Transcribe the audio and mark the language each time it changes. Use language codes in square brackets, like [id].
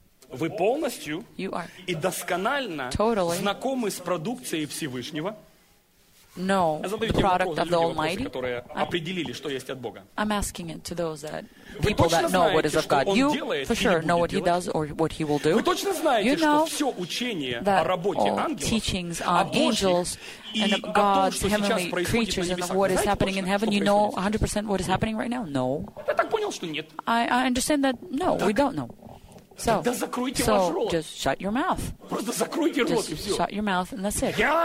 [ru] Вы полностью и досконально [en] totally [ru] знакомы с продукцией Всевышнего? [en] No, the product of the Almighty. [ru] Которые определили, что есть от Бога. [en] I'm asking it to those that people that know what is of God. You for sure know what he does or what he will do. [ru] Вы точно знаете, [en] you know [ru] что все учение о работе ангелов, [en] teachings on angels and of God's heavenly creatures and what is happening in heaven, you know 100% what is happening right now? No. [ru] Я так понял, что нет. [en] I understand that no, we don't know. So, just shut your mouth. Just shut your mouth and that's it.